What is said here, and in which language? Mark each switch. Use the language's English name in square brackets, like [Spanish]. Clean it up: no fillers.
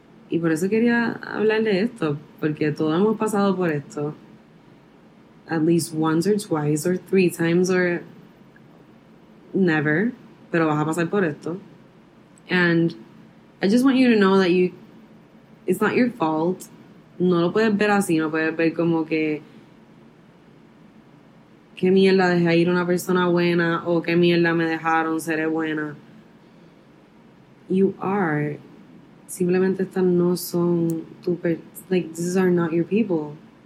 [Spanish] Y por eso quería hablarle de esto, porque todos hemos pasado por esto [English] at least once or twice or three times or never, [Spanish] pero vas a pasar por esto. [English] And I just want you to know that you, it's not your fault. [Spanish] No lo puedes ver así, no puedes ver como que qué mierda, dejé ir una persona buena, o qué mierda, me dejaron, seré buena. [English] You are. [Spanish] Simplemente estas no son tu [English] like, these are not your people.